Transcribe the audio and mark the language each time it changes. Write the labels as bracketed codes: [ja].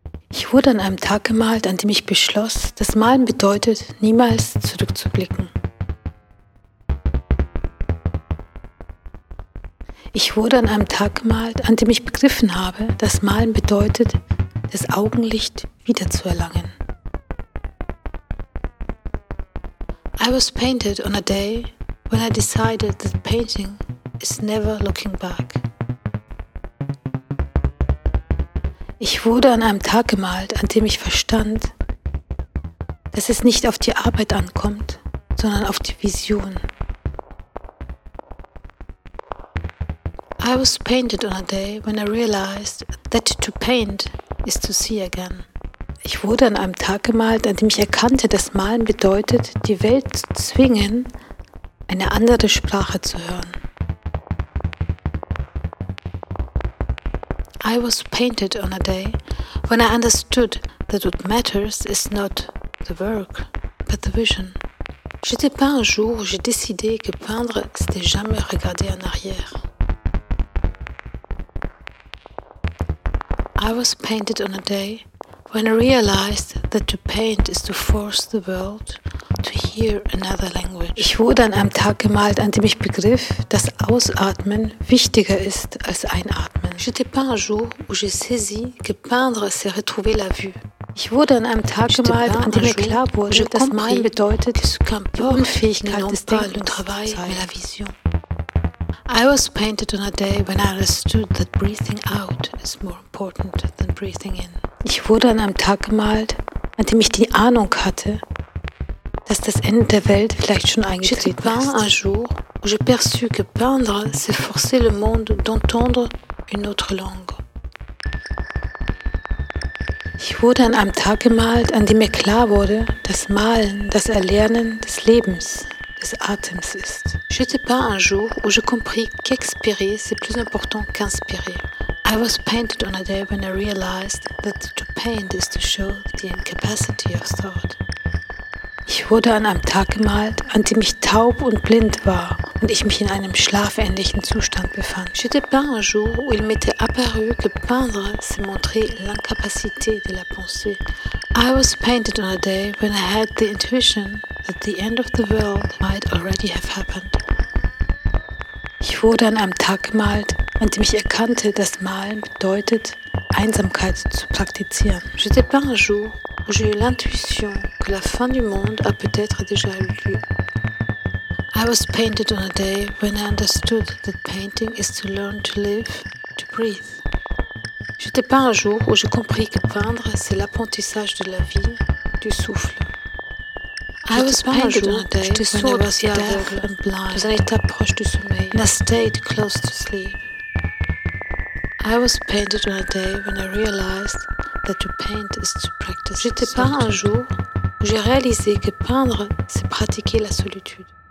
[de] Ich wurde an einem Tag gemalt, an dem ich beschloss, dass Malen bedeutet, niemals zurückzublicken. Ich wurde an einem Tag gemalt, an dem ich begriffen habe, dass Malen bedeutet, das Augenlicht wiederzuerlangen. [en] I was painted on a day when I decided that painting is never looking back. [de] Ich wurde an einem Tag gemalt, an dem ich verstand, dass es nicht auf die Arbeit ankommt, sondern auf die Vision. [en] I was painted on a day when I realized that to paint is to see again. [de] Ich wurde an einem Tag gemalt, an dem ich erkannte, dass Malen bedeutet, die Welt zu zwingen, eine andere Sprache zu hören. [en] I was painted on a day when I understood that what matters is not the work, but the vision. [fr] J'étais peint un jour où j'ai décidé que peindre, c'était jamais regarder en arrière. [en] I was painted on a day when I realized that to paint is to force the world to hear another language. [de] Ich wurde an einem Tag gemalt, an dem ich begriff, dass Ausatmen wichtiger ist als Einatmen. [fr] J'étais peint un jour où j'ai saisi que peindre c'est retrouver la vue. [de] Ich wurde an einem Tag gemalt, an dem mir klar wurde, dass Malen bedeutet, die Unfähigkeit des Denkens zu zeigen. [en] I was painted on a day when I understood that breathing out is more important than breathing in. [de] Ich wurde an einem Tag gemalt, an dem ich die Ahnung hatte, dass das Ende der Welt vielleicht schon eingetreten ist. [fr] J'ai peint un jour où j'ai perçu que peindre c'est forcer le monde d'entendre une autre langue. [de] Ich wurde an einem Tag gemalt, an dem mir klar wurde, dass Malen das Erlernen des Lebens, des Atems ist. [fr] J'étais peint un jour où j'ai compris qu'expirer c'est plus important qu'inspirer. [en] I was painted on a day when I realized that to paint is to show the incapacity of thought. [de] Ich wurde an einem Tag gemalt, an dem ich taub und blind war und ich mich in einem schlafähnlichen Zustand befand. [fr] J'étais peint un jour où il m'était apparu que peindre c'est montrer l'incapacité de la pensée. [en] I was painted on a day when I had the intuition that the end of the world might already have happened. [de] Ich wurde an einem Tag gemalt, an dem ich erkannte, dass Malen bedeutet, Einsamkeit zu praktizieren. [fr] J'étais peint un jour où j'ai eu l'intuition que la fin du monde a peut-être déjà eu lieu. [en] I was painted on a day when I understood that painting is to learn to live, to breathe. [fr] J'étais peint un jour où j'ai compris que peindre, c'est l'apprentissage de la vie, du souffle. [en] I was painted on a day when I was deaf and blind. [fr] Dans un état proche du sommeil. [en] In a state close to sleep. I was painted on a day when I realized that to paint is to practice. [fr] J'étais peint un jour où j'ai réalisé que peindre, c'est pratiquer la solitude.